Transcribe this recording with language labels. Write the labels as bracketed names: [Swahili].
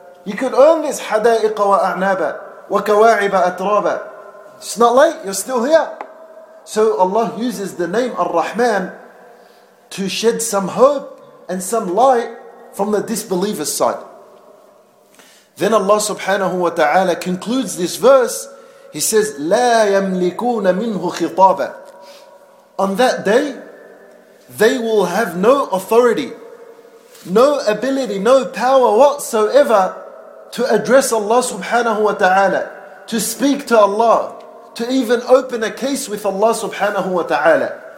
[English] You could earn this [Arabic] حَدَائِقَ وَأَعْنَابَ وَكَوَاعِبَ أَتْرَابَ. [English] It's not late, you're still here. So Allah uses the name Ar-Rahman to shed some hope and some light from the disbeliever's side. Then Allah subhanahu wa ta'ala concludes this verse. He says, [Arabic] لَا يَمْلِكُونَ مِنْهُ خِطَابًا. [English] On that day, they will have no authority, no ability, no power whatsoever to address Allah subhanahu wa ta'ala, to speak to Allah, to even open a case with Allah subhanahu wa ta'ala.